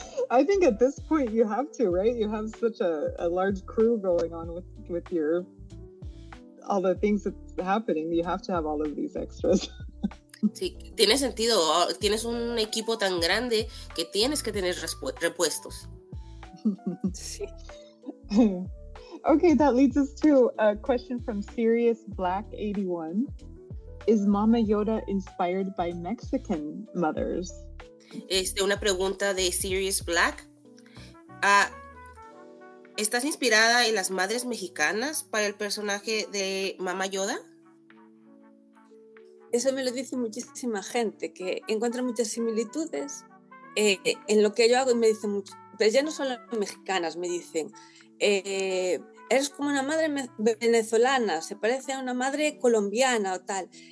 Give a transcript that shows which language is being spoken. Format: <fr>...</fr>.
<en>I think at this point you have to, right? You have such a large crew going on with your all the things that's happening. You have to have all of these extras.</en> <es>Sí, tiene sentido. Tienes un equipo tan grande que tienes que tener repuestos. Sí.</es> <en>Okay, that leads us to a question from Sirius Black 81. Is Mama Yoda inspired by Mexican mothers?</en> <es>Una pregunta de Sirius Black. ¿Estás inspirada en las madres mexicanas para el personaje de Mama Yoda? Eso me lo dice muchísima gente, que encuentra muchas similitudes en lo que yo hago, y me dicen mucho, pero ya no solo mexicanas, me dicen, eres como una madre venezolana, se parece a una madre colombiana o tal.</es>